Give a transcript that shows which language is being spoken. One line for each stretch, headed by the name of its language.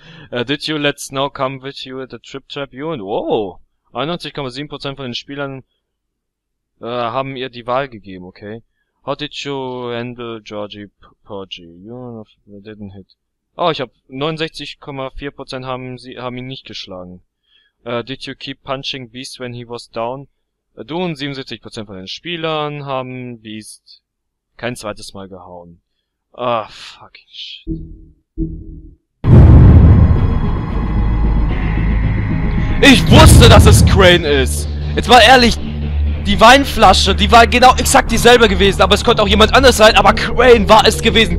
English: Did you let Snow come with you at the trip trap? You and... Whoa!
German: 91.7% von den Spielern haben ihr die Wahl gegeben, okay?
English: How did you handle Georgie Purgy? You didn't hit.
German: Oh, ich hab... 69.4% haben ihn nicht geschlagen.
English: Did you keep punching Beast when he was down?
German: Du und 77% von den Spielern haben Beast kein zweites Mal gehauen.
English: Ah, fucking shit.
German: Ich wusste, dass es Crane ist. Jetzt mal ehrlich, die Weinflasche, die war genau exakt dieselbe gewesen, aber es konnte auch jemand anders sein, aber Crane war es gewesen.